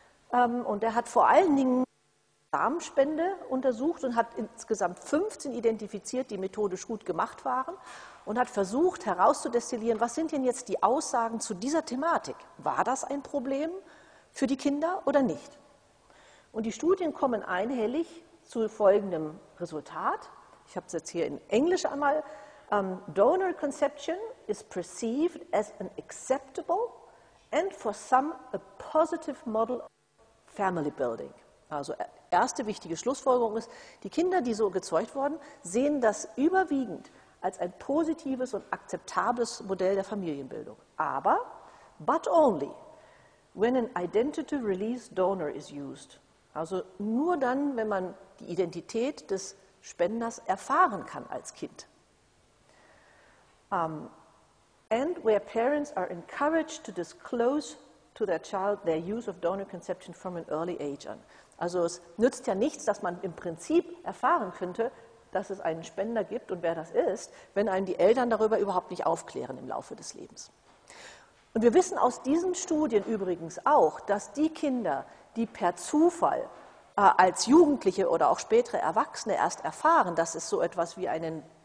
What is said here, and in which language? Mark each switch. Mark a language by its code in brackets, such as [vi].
[de] Und der hat vor allen Dingen Samenspende untersucht und hat insgesamt 15 identifiziert, die methodisch gut gemacht waren, und hat versucht herauszudestillieren, was sind denn jetzt die Aussagen zu dieser Thematik? War das ein Problem für die Kinder oder nicht? Und die Studien kommen einhellig zu folgendem Resultat. Ich habe es jetzt hier in Englisch einmal. [en] Donor conception is perceived as an acceptable and for some a positive model of family building. [de] Also erste wichtige Schlussfolgerung ist, die Kinder, die so gezeugt wurden, sehen das überwiegend als ein positives und akzeptables Modell der Familienbildung. [en] Aber, but only, when an identity release donor is used. [de] Also nur dann, wenn man die Identität des Spenders erfahren kann als Kind. [en] And where parents are encouraged to disclose to their child their use of donor conception from an early age on. [de] Also es nützt ja nichts, dass man im Prinzip erfahren könnte, dass es einen Spender gibt und wer das ist, wenn einem die Eltern darüber überhaupt nicht aufklären im Laufe des Lebens. Und wir wissen aus diesen Studien übrigens auch, dass die Kinder, die per Zufall als Jugendliche oder auch spätere Erwachsene erst erfahren, dass es so etwas wie einen